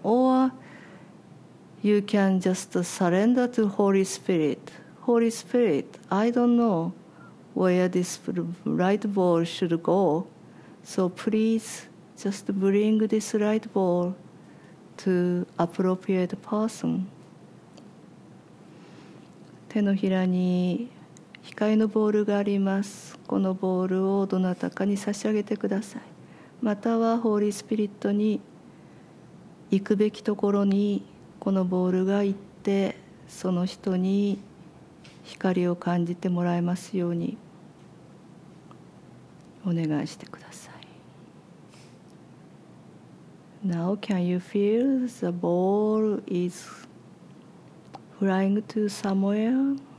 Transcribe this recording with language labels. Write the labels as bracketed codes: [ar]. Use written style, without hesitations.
[en] Or you can just surrender to Holy Spirit. Holy Spirit, I don't know where this light ball should go, so please just bring this light ball to appropriate person. [ja] 手のひらに光のボールがあります。このボールをどなたかに差し上げてください。または Holy Spirit に行くべきところにこのボールが行って、その人に光を感じてもらえますようにお願いしてください。 [en] Now can you feel the ball is flying to somewhere?